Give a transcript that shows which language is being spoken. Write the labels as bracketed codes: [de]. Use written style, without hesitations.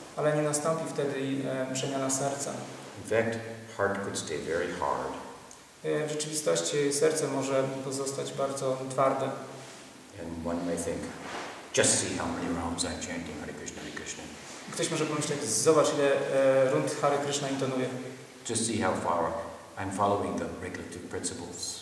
[pl] Ale nie nastąpi wtedy przemiana serca. [en] In fact, heart could stay very hard. [pl] W rzeczywistości serce może pozostać bardzo twarde. [en] And one may think, just see how many rounds I'm chanting Hare Krishna, Hare Krishna. [pl] Ktoś może pomyśleć, zobacz ile rund Hare Krishna intonuje. [en] Just see how far I'm following the regulative principles.